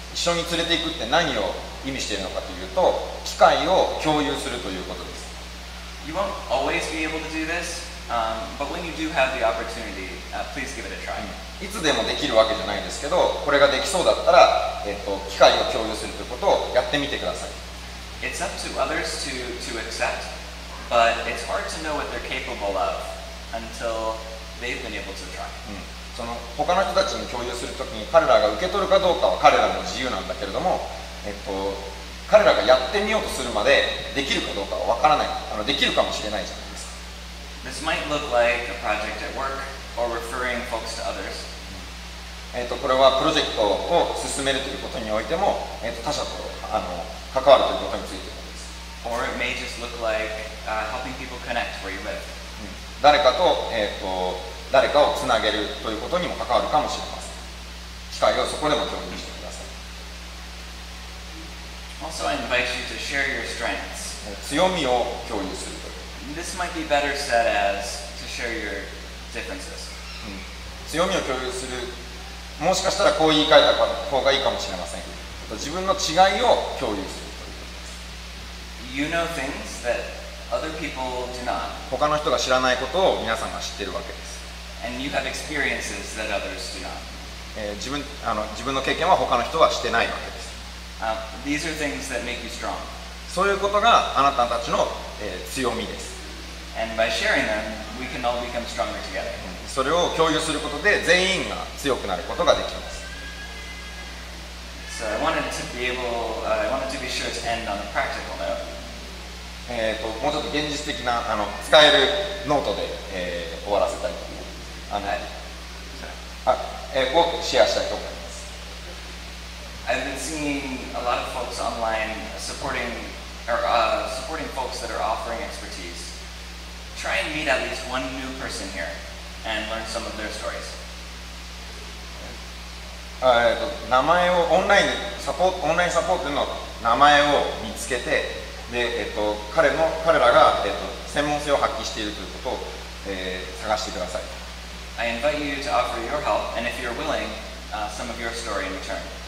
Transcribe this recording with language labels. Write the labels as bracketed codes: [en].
[ja] 一緒に連れて行くって何を意味しているのかというと、機会を共有するということです。 [en] You won't always be able to do this, but when you do have the opportunity, please give it a try. [ja] いつでもできるわけじゃないですけど、これができそうだったら、機会を共有するということをやってみてください。 [en] It's up to others to accept, but it's hard to know what they're capable of until they've been able to try. [ja] その他の人たちに共有するときに彼らが受け取るかどうかは彼らの自由なんだけれども、彼らがやってみようとするまでできるかどうかは分からない。できるかもしれないじゃないですか。 [en] This might look like a project at work or referring folks to others. [ja] これはプロジェクトを進めるということにおいても、他者と関わるということについてです。 [en] Or it may just look like helping people connect where you live. [ja] 誰かと、誰かをつなげるということにも関わるかもしれません。機会をそこでも共有してください。 [en] Also, I invite you to share your strengths. [ja] 強みを共有する。 [en] This might be better said as to share your differences. [ja] 強みを共有する。もしかしたらこう言い換えた方がいいかもしれません。自分の違いを共有するということです [en] You know things that other people do not. [ja] 他の人が知らないことを皆さんが知っているわけです。 [en] And you have experiences that others do not. [ja] 自分の経験は他の人はしてないわけです。 [en] These are things that make you strong. [ja] そういうことがあなたたちの、強みです。 [en] And by sharing them, we can all become stronger together. [ja] それを共有することで全員が強くなることができます。 [en] So I wanted to be able, I wanted to be sure to end on a practical note. [ja] もうちょっと現実的な使えるノートで、終わらせたいと思います。をシェアしたいと思います。 [en] I've been seeing a lot of folks online supporting, or, supporting folks that are offering expertiseTry and meet at least one new person here and learn some of their stories. [ja] 名前をオンラインサポート、オンラインサポートの名前を見つけて、で、彼らが、専門性を発揮しているということを、探してください。 [en] I invite you to offer your help and if you're willing, some of your story in return.